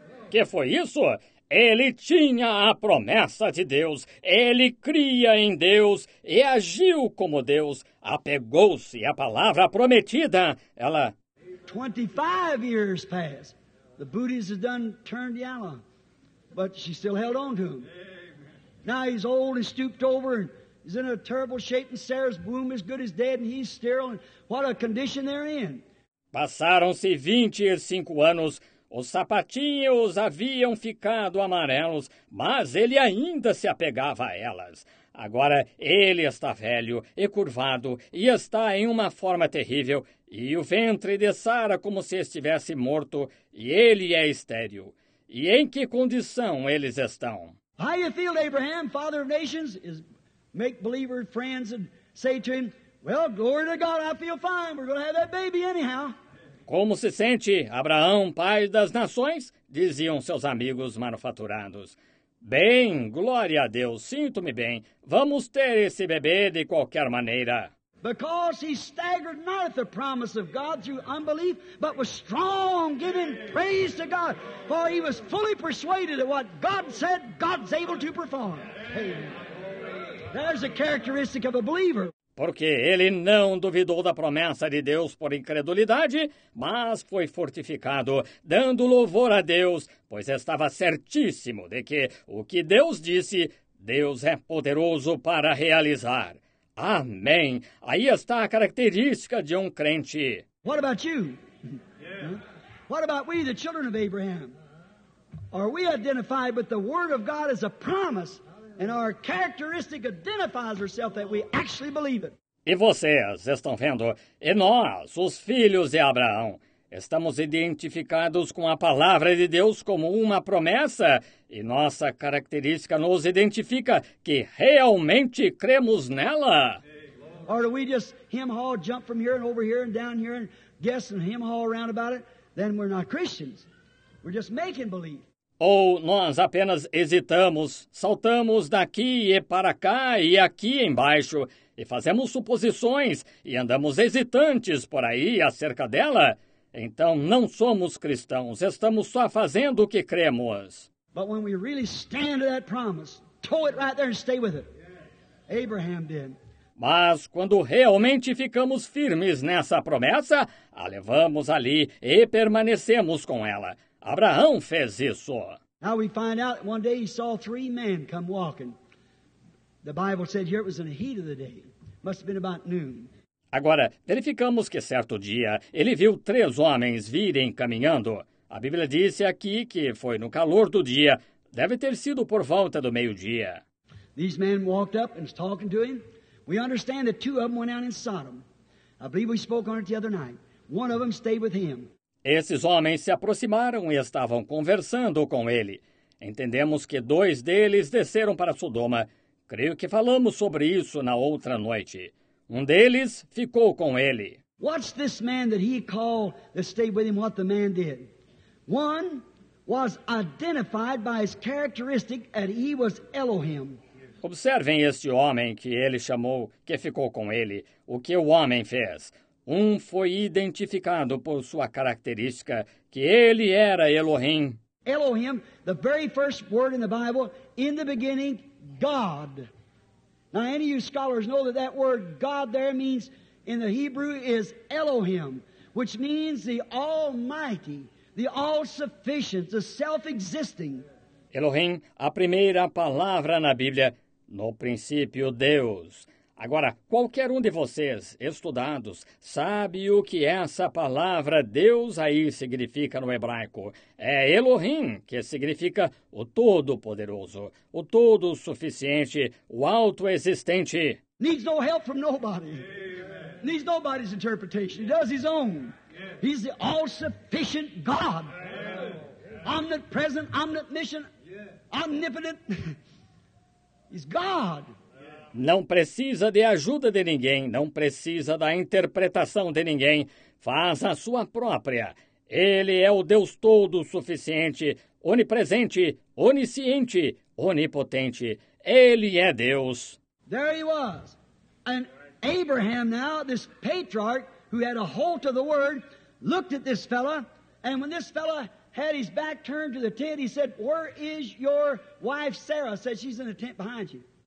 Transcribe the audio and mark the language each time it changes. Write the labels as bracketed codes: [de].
[pt] Que foi isso? Ele tinha a promessa de Deus. Ele cria em Deus e agiu como Deus. Apegou-se à palavra prometida. Ela... [en] 25 years passed. The booties had done turned yellow. But she still held on to him. Now he's old and stooped over and he's in a terrible shape and Sarah's womb is good as dead and he's sterile. And what a condition they're in. [pt] Passaram-se 25 anos. Os sapatinhos haviam ficado amarelos, mas ele ainda se apegava a elas. Agora ele está velho e curvado e está em uma forma terrível. E o ventre de Sara como se estivesse morto e ele é estéril. E em que condição eles estão? [en] How you feel, Abraham, father of nations? Is make believer friends and say to him, well, glory to God, I feel fine. We're going to have that baby anyhow. [pt] Como se sente, Abraão, pai das nações? Diziam seus amigos manufaturados. Bem, glória a Deus, sinto-me bem. Vamos ter esse bebê de qualquer maneira. [en] Because he staggered not at the promise of God through unbelief, but was strong, giving praise to God. For he was fully persuaded that what God said, God's able to perform. Amen. There's a characteristic of a believer. [pt] Porque ele não duvidou da promessa de Deus por incredulidade, mas foi fortificado, dando louvor a Deus, pois estava certíssimo de que o que Deus disse, Deus é poderoso para realizar. Amém. Aí está a característica de um crente. [en] What about you? What about we, the children of Abraham? Are we identified with the word of God as a promise? And our characteristic identifies ourselves that we actually believe it. [pt] E vocês estão vendo? E nós, os filhos de Abraão, estamos identificados com a palavra de Deus como uma promessa? E nossa característica nos identifica que realmente cremos nela? [en] Or do we just hem-haw, jump from here and over here and down here and guess and hem-haw around about it? Then we're not Christians. We're just making believe. [pt] Ou nós apenas hesitamos, saltamos daqui e para cá e aqui embaixo e fazemos suposições e andamos hesitantes por aí acerca dela? Então não somos cristãos, estamos só fazendo o que cremos. [en] But when we really stand to that promise, tow it right there and stay with it. Abraham did. [pt] Mas quando realmente ficamos firmes nessa promessa, a levamos ali e permanecemos com ela. Abraão fez isso. [en] Now we find out one day he saw three men come walking. The Bible said here it was in the heat of the day. Must have been about noon. [pt] Agora, verificamos que certo dia ele viu três homens virem caminhando. A Bíblia disse aqui que foi no calor do dia. Deve ter sido por volta do meio-dia. [en] These men walked up and was talking to him. We understand that two of them went out in Sodom. I believe we spoke on it the other night. One of them stayed with him. [pt] Esses homens se aproximaram e estavam conversando com ele. Entendemos que dois deles desceram para Sodoma. Creio que falamos sobre isso na outra noite. Um deles ficou com ele. [en] What's this man that he called that stayed with him, what the man did? One was identified by his characteristic that he was Elohim. [pt] Observem este homem que ele chamou, que ficou com ele, o que o homem fez. Um foi identificado por sua característica, que ele era Elohim. [en] Elohim, the very first word in the Bible, in the beginning, God. Now, any of you scholars know that that word God there means in the Hebrew is Elohim, which means the Almighty, the All-Sufficient, the Self-Existing. [pt] Elohim, a primeira palavra na Bíblia, no princípio Deus. Agora, qualquer um de vocês, estudados, sabe o que essa palavra Deus aí significa no hebraico. É Elohim, que significa o Todo-Poderoso, o Todo-Suficiente, o Auto-Existente. [en] Needs no help from nobody. Amen. Needs nobody's interpretation. He does his own. He's the all-sufficient God. Amen. Omnipresent, omniscient, omnipotent. He's God. [pt] Não precisa de ajuda de ninguém, não precisa da interpretação de ninguém. Faz a sua própria. Ele é o Deus Todo-Suficiente, onipresente, onisciente, onipotente. Ele é Deus. [en] There he was. And Abraham now, this patriarch, who had a hold of the word, looked at this fellow, and when this fellow had his back turned to the tent, he said, where is your wife Sarah? Said, she's in the tent behind you.